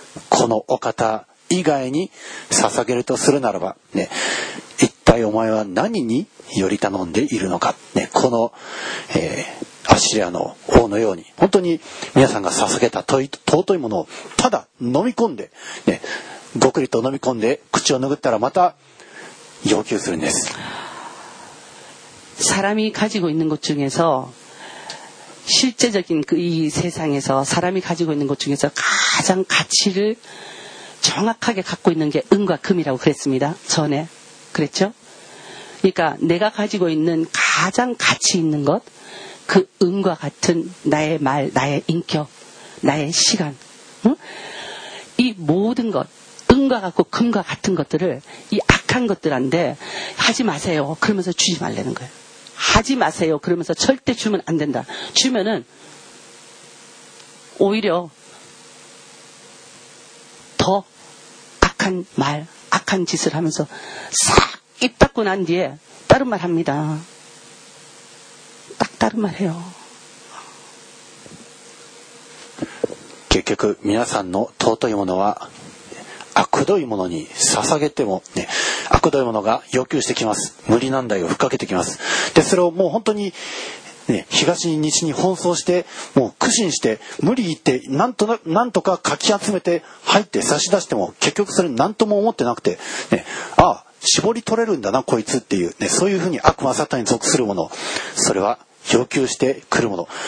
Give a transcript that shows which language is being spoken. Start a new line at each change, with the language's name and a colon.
Japanese: このお方以外に捧げるとするならば、ね、一体お前は何により頼んでいるのか、ね、この、アッシリアの王のように、本当に皆さんが捧げた尊いものをただ飲み込んで、ね、ごくりと飲み込んで口を拭ったらまた要求するんです。
Korean: 사람이 가지고 있는 것 중에서 실제적인 이 세상에서 사람이 가지고 있는 것 중에서 가장 가치를정확하게갖고있는게은과금이라고그랬습니다전에그랬죠그러니까내가가지고있는가장가치있는것그은과같은나의말나의인격나의시간응이모든것은과같고금과같은것들을이악한것들한테하지마세요그러면서주지말라는거예요하지마세요그러면서절대주면안된다주면은오히려더악한말악한짓을하면서싹입닫고난뒤에다른말합니다딱다른말해요
Japanese: 結局皆さんの尊いものは悪どいものに捧げても、ね、悪どいものが要求してきます。無理難題をふっかけてきます。でそれをもう本当にね、東に西に奔走してもう苦心して無理言ってなんとかかき集めて入って差し出しても結局それ何とも思ってなくて、ね、ああ絞り取れるんだなこいつっていう、ね、そういうふうに悪魔サタンに属するもの、それは要求してくるもの。